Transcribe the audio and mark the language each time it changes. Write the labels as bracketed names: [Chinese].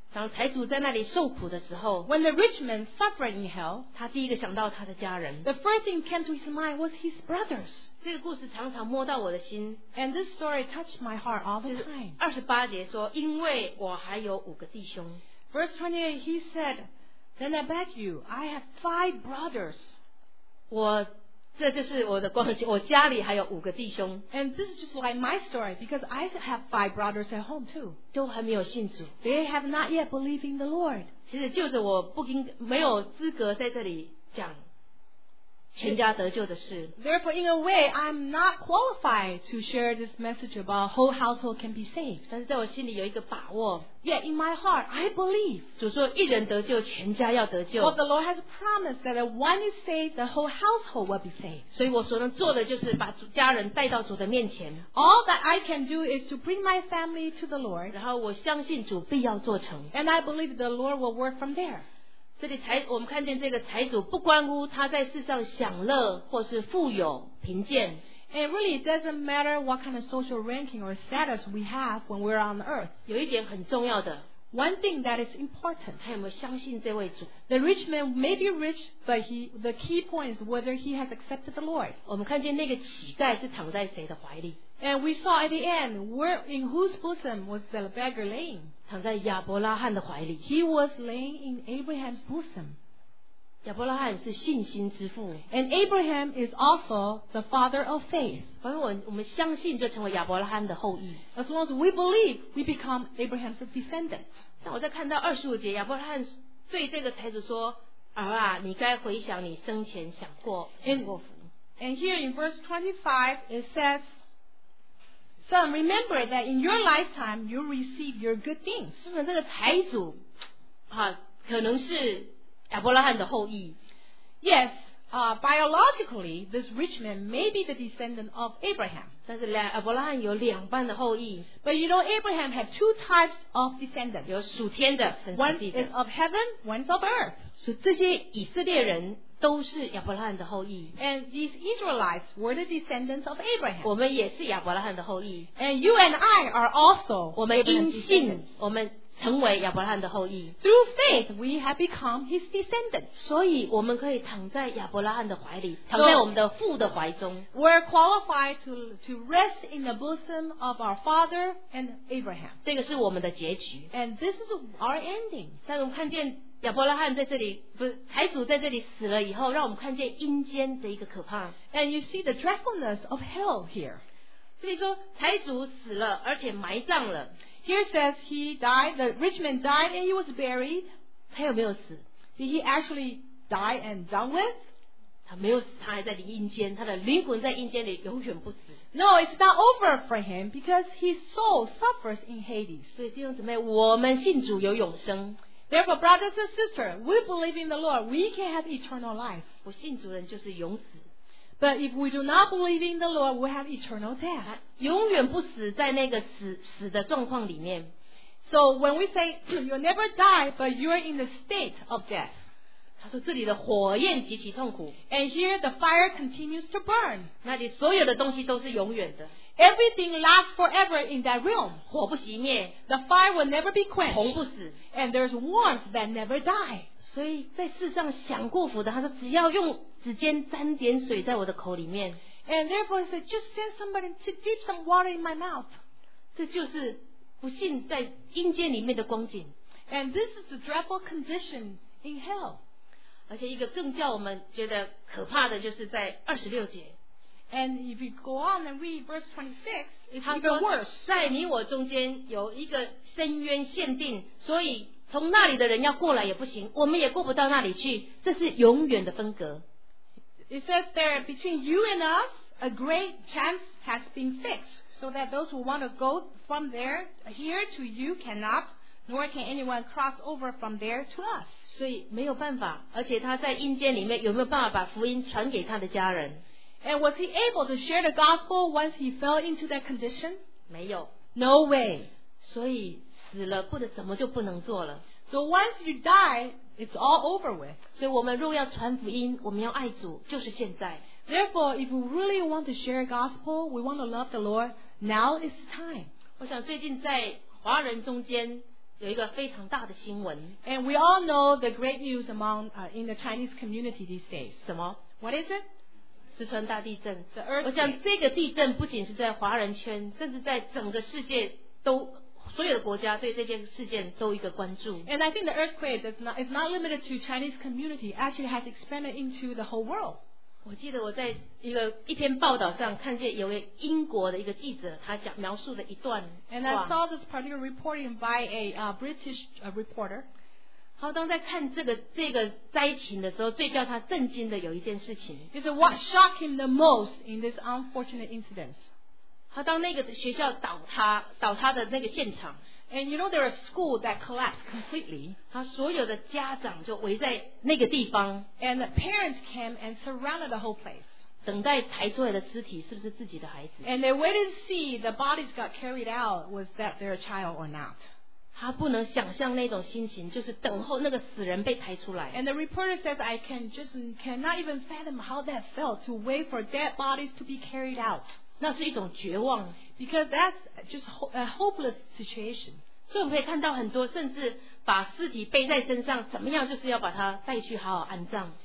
[Chinese] 当财主在那里受苦的时候， [English] When the rich man suffered in hell, [Chinese] 他第一个想到他的家人。 [English] The first thing came to his mind was his brothers. [Chinese] 这个故事常常摸到我的心。 [English] And this story touched my heart all the time. [Chinese] 二十八节说，因为我还有五个弟兄。 [English] Verse 28, he said, Then I beg you, I have five brothers. [Chinese] 我这就是我的光景，我家里还有五个弟兄。 [English] And this is just like my story, because I have five brothers at home too. [Chinese] 都还没有信主。 [English] They have not yet believed in the Lord. [Chinese] 其实就是我不应没有资格在这里讲全家得救的事。 [English] Therefore, in a way, I'm not qualified to share this message about whole household can be saved. [Chinese] 但是在我心里有一个把握。 [English] Yet in my heart, I believe. [Chinese] 主说一人得救，全家要得救。 [English] But the Lord has promised that if one is saved, the whole household will be saved. [Chinese] 所以我所能做的就是把家人带到主的面前。 [English] All that I can do is to bring my family to the Lord. [Chinese] 然后我相信主必要做成。 [English] And I believe the Lord will work from there. [Chinese] 这里财我们看见这个财主不关乎他在世上享乐或是富有贫贱。 [English] It really doesn't matter what kind of social ranking or status we have when we're on earth. [Chinese] 有一点很重要的。 [English] One thing that is important. [Chinese] 他有没有相信这位主。 [English] The rich man may be rich, but the key point is whether he has accepted the Lord. [Chinese] 我们看见那个乞丐是躺在谁的怀里。 [English] And we saw at the end, in whose bosom was the beggar laying? [Chinese] 躺在亚伯拉罕的怀里。 [English] He was laying in Abraham's bosom. [Chinese] 亚伯拉罕是信心之父。 [English] And Abraham is also the father of faith. [Chinese] 反正我们相信就成为亚伯拉罕的后裔。 [English] As long as we believe, we become Abraham's descendant. [Chinese] 那我在看到二十五节，亚伯拉罕对这个财主说：“儿啊，你该回想你生前享过享过福。” [English] And here in verse 25, it says. Son, remember that in your lifetime you received your good things. [Chinese] 是不是这个财主啊，可能是亚伯拉罕的后裔。 [English] Yes, biologically, this rich man may be the descendant of Abraham. [Chinese] 但是亚伯拉罕有两半的后裔。 [English] But you know, Abraham had two types of descendants. [Chinese] 有属天的 [English] One is of heaven, one is of earth. [Chinese] 所以这些以色列人都是亚伯拉罕的后裔。 [English] And these Israelites were the descendants of Abraham. [Chinese] 我们也是亚伯拉罕的后裔。 [English] And you and I are also. [Chinese] 我们因信，我们成为亚伯拉罕的后裔。 [English] Through faith, we have become his descendants. [Chinese] 所以我们可以躺在亚伯拉罕的怀里，躺在我们的父的怀中。 [English] We're qualified to rest in the bosom of our father and Abraham. [Chinese] 这个是我们的结局。 [English] And this is our ending. [Chinese] 但我们看见。亚伯拉罕在这里不是财主在这里死了以后让我们看见阴间的一个可怕 [English] And you see the dreadfulness of hell here [Chinese] 这里说财主死了而且埋葬了 [English] Here says he died The rich man died and he was buried [Chinese] 他有没有死 [English] Did he actually die and done with [Chinese] 他没有死他还在阴间他的灵魂在阴间里永远不死 [English] No it's not over for him because his soul suffers in Hades [Chinese] 所以弟兄姊妹我们信主有永生 [English] Therefore, brothers and sisters, we believe in the Lord, we can have eternal life. [Chinese] 不信主人就是永死。 [English] But if we do not believe in the Lord, we have eternal death. [Chinese] 永远不死在那个死的状况里面。 [English] So when we say, you'll never die, but you're in the state of death. [Chinese] 他说这里的火焰极其痛苦。 [English] And here the fire continues to burn. [Chinese] 那里所有的东西都是永远的。 [English] Everything lasts forever in that realm. [Chinese] 火不熄灭 [English] The fire will never be quenched. [Chinese] 红不死 [English] And there's warmth that never die. [Chinese] 所以在世上享过福的，他说只要用指尖沾点水在我的口里面。 [English] And therefore, he said, just send somebody to dip some water in my mouth. [Chinese] 这就是不信在阴间里面的光景。 [English] And this is the dreadful condition in hell. [Chinese] 而且一个更叫我们觉得可怕的就是在二十六节。 [English] And if you go on and read verse 26, it's even worse. [Chinese] 在你我中间有一个深渊限定，所以从那里的人要过来也不行，我们也过不到那里去，这是永远的分隔。 [English] It says there, between you and us, a great chasm has been fixed, so that those who want to go from there here to you cannot, nor can anyone cross over from there to us. [Chinese] 所以没有办法，而且他在阴间里面有没有办法把福音传给他的家人？ [English] And was he able to share the gospel once he fell into that condition? [Chinese] 没有。 [English] No way. [Chinese] 所以死了不能什么就不能做了。 [English] So once you die, it's all over with. [Chinese] 所以我们若要传福音，我们要爱主，就是现在。 [English] Therefore, if we really want to share gospel, we want to love the Lord, now is the time. [Chinese] 我想最近在华人中间有一个非常大的新闻。 [English] And we all know the great news among, in the Chinese community these days. [Chinese] 什么？ [English] What is it? [Chinese] 四川大地震 [English] the earthquake. [Chinese] 我想这个地震不仅是在华人圈甚至在整个世界都所有的国家对这件事件都一个关注 [English] And I think the earthquake is not limited to Chinese community actually has expanded into the whole world [Chinese] 我记得我在一篇报道上看见有个英国的一个记者他讲描述了一段话 [English] And I saw this particular reporting by a British reporter [Chinese] 好，当在看这个灾情的时候，最叫他震惊的有一件事情。 [English] He said, what shocked him the most in this unfortunate incident? [Chinese] 好，当那个学校倒塌的那个现场。 [English] And you know there was a school that collapsed completely. [Chinese] 好，所有的家长就围在那个地方。 [English] And the parents came and surrounded the whole place. [Chinese] 等待抬出来的尸体是不是自己的孩子。 [English] And they waited to see the bodies got carried out, was that their child or not? [Chinese] 他不能想象那种心情，就是等候那个死人被抬出来。 [English] And the reporter says, I cannot even fathom how that felt to wait for dead bodies to be carried out. [Chinese] 那是一种绝望。 [English] Because that's just a hopeless situation. [Chinese] 所以我们可以看到很多，甚至把尸体背在身上，怎么样就是要把它带去好好安葬。